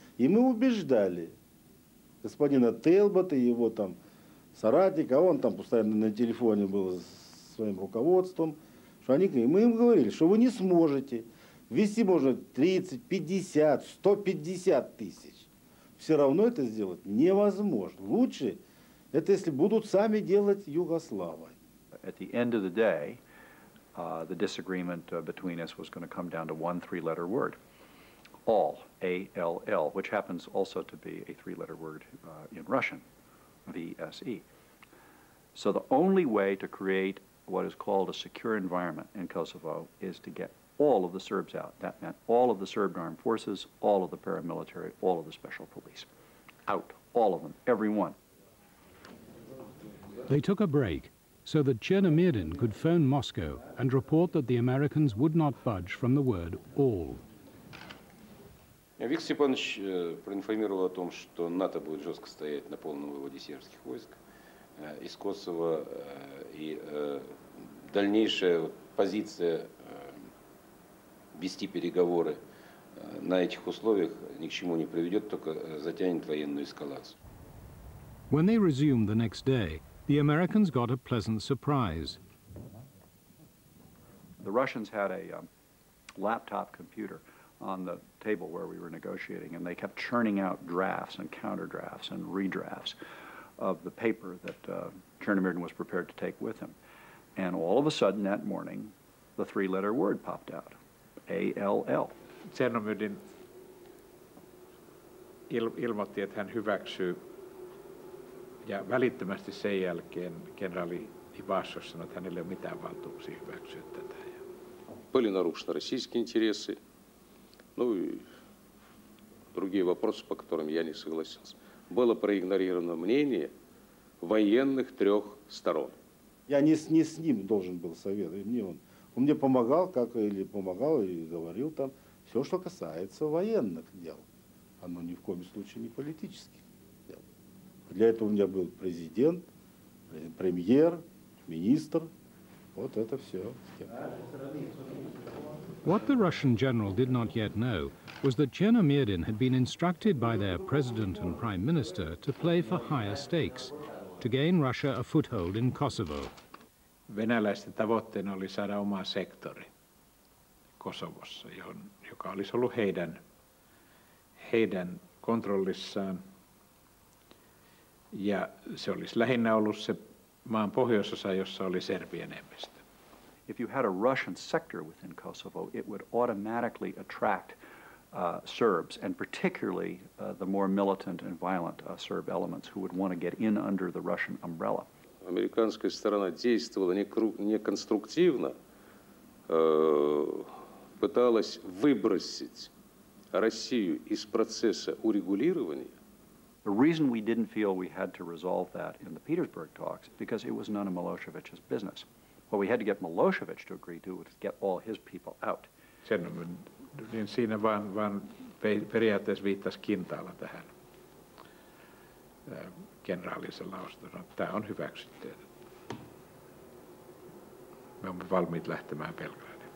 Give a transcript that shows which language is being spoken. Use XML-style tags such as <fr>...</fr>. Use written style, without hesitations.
<ru>И мы убеждали господина Телбота и его там соратника, он там постоянно на телефоне был с своим руководством, что они, мы им говорили, что вы не сможете ввести, можно 30, 50, 150 тысяч. Все равно это сделать невозможно. Лучше это, если будут сами делать Югославы.</ru> <en>At the end of the day, the disagreement between us was going to come down to one three-letter word. All, A-L-L, which happens also to be a three-letter word in Russian, V-S-E. So the only way to create what is called a secure environment in Kosovo is to get all of the Serbs out. That meant all of the Serb armed forces, all of the paramilitary, all of the special police. Out. All of them. Every one. They took a break so that Chernomyrdin could phone Moscow and report that the Americans would not budge from the word all.</en> <ru>Виктор Степанович проинформировал о том, что НАТО будет жестко стоять на полном выводе сербских войск из Косово, и дальнейшая позиция вести переговоры на этих условиях ни к чему не приведет, только затянет военную эскалацию.</ru> <en>When they resumed the next day, the Americans got a pleasant surprise. The Russians had a laptop computer on the table where we were negotiating, and they kept churning out drafts and counterdrafts and redrafts of the paper that Chernomyrdin was prepared to take with him. And all of a sudden that morning, the three-letter word popped out. A-L-L.</en> <fi>Chernomyrdin ilmoitti, että hän hyväksyy, ja välittömästi sen jälkeen kenraali Ivashov sanoi, että hänelle ei ole mitään valtuuksia hyväksyä tätä.</fi> <ru>Были нарушены российские интересы. Ну и другие вопросы, по которым я не согласен. Было проигнорировано мнение военных трех сторон. Я не с ним должен был советовать, не он. Он мне помогал, как или помогал, и говорил там. Все, что касается военных дел, оно ни в коем случае не политических дел. Для этого у меня был президент, премьер, министр. Вот это все.</ru> <en>What the Russian general did not yet know was that Chernomyrdin had been instructed by their president and prime minister to play for higher stakes, to gain Russia a foothold in Kosovo.</en> <fi>Venäläisten tavoitteena oli saada oma sektori Kosovossa, joka olisi ollut heidän kontrollissaan. Ja se olisi lähinnä ollut se maan pohjoisosa, jossa oli Serbian enemmistö.</fi> <en>If you had a Russian sector within Kosovo, it would automatically attract Serbs, and particularly the more militant and violent Serb elements who would want to get in under the Russian umbrella.</en> <ru>Американская сторона действовала не конструктивно, пыталась выбросить Россию из процесса урегулирования.</ru> <en>The reason we didn't feel we had to resolve that in the Petersburg talks because it was none of Milosevic's business. What we had to get Milosevic to agree to was to get all his people out.</en> <fi>Niin siinä vaan periaatteessa viittasi Kintaalla tähän kenraalisen lausuntoon. Tämä on hyväksytty. Me olemme valmiit lähtemään Belgradiin.</fi>